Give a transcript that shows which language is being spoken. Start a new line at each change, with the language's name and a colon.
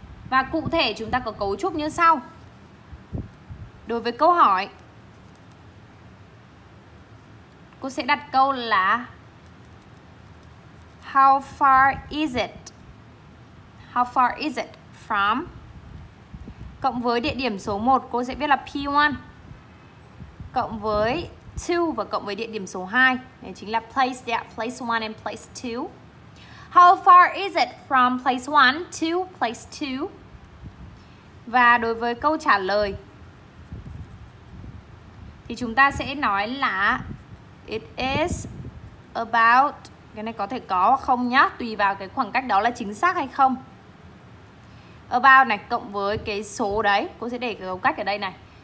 Vietnamese: Và cụ thể chúng ta có cấu trúc như sau. Đối với câu hỏi, cô sẽ đặt câu là
English: how far is it? How far is it from?
Vietnamese: Cộng với địa điểm số 1, cô sẽ viết là P1. Cộng với 2 và cộng với địa điểm số 2. Đấy chính là place, yeah,
English: place 1 and place 2. How far is it from place 1 to place 2?
Vietnamese: Và đối với câu trả lời, thì chúng ta sẽ nói là
English: it is about,
Vietnamese: cái này có thể có hoặc không nhá, tùy vào cái khoảng cách đó là chính xác hay không. About này cộng với cái số đấy, cô sẽ để cái dấu cách ở đây này.